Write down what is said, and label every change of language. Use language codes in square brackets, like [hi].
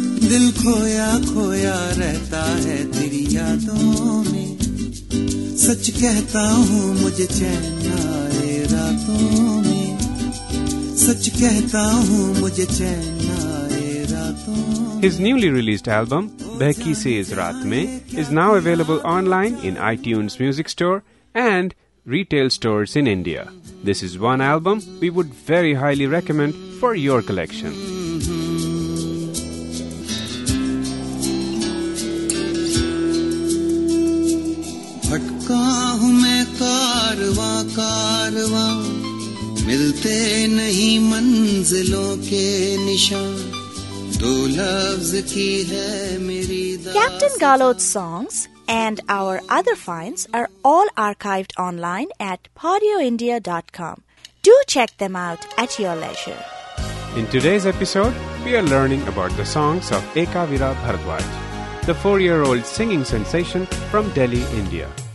[hi] दिल खोया खोया रहता है तेरी यादों में सच कहता हूँ मुझे चैन ना आए रातों में सच कहता हूँ मुझे चैन ना आए रातों में [en] His newly released album Behki Se Is Raat Mein is now available online in iTunes Music Store and retail stores in India. This is one album we would very highly recommend for your collection. [hi] भटका हूँ मैं कारवा कारवा मिलते नहीं मंजिलों के निशान दो लफ्ज की है मेरी [en] Captain Ghalot's songs and our other finds are all archived online at podioindia.com. Do check them out at your leisure. In today's episode, we are learning about the songs of Ekavira Bharadwaj, the four-year-old singing sensation from Delhi, India.